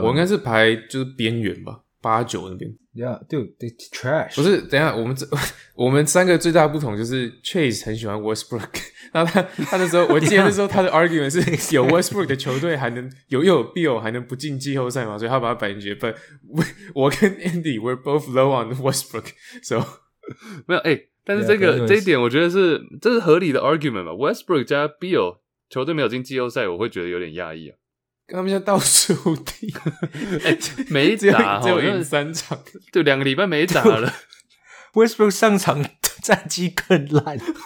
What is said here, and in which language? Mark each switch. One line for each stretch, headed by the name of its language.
Chinese: 我应该是排就是边缘吧，八九那边。
English: Yeah, dude, the trash。
Chinese: 不是，等一下我们三个最大的不同就是 Chase 很喜欢 Westbrook， 那他那时候我记得那时候他的 argument 是有 Westbrook 的球队还能又有 Beal 还能不进季后赛嘛，所以他把他摆进去。
English: But
Chinese: 我跟
English: Andy we're both low on Westbrook， so
Chinese: 没有但是这个
English: yeah,
Chinese: 这一点我觉得是这是合理的 argument 吧。Westbrook 加 Beal 球队没有进季后赛，我会觉得有点讶异啊。他们现在倒数第一，没打，只有赢三场，就两个礼拜没打了。 Westbrook 上场战绩更烂，